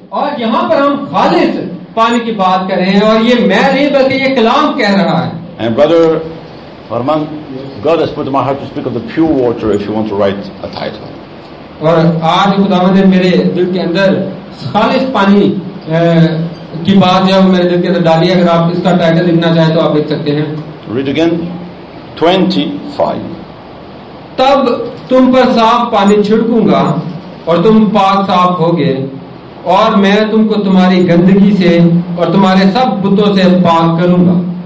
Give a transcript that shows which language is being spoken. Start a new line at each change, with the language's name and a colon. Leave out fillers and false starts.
Hindi: और यहाँ पर हम खालिस पानी की बात कर रहे हैं और ये मैं नहीं बल्कि ये कलाम कह रहा है.
English: And brother Farman, God has put in my heart to speak of the pure water if you want to write a title.
Hindi: और आज खुदावंद ने मेरे दिल के अंदर खालिस पानी की बात जो मेरे दिल के अंदर डाली है. अगर आप इसका टाइटल लिखना चाहें तो आप लिख सकते हैं.
English: Read again. 25.
Hindi: तब तुम पर साफ पानी छिड़कूंगा और तुम पाक साफ होगे और मैं तुमको तुम्हारी गंदगी से और तुम्हारे सब बुतों से पाक करूंगा.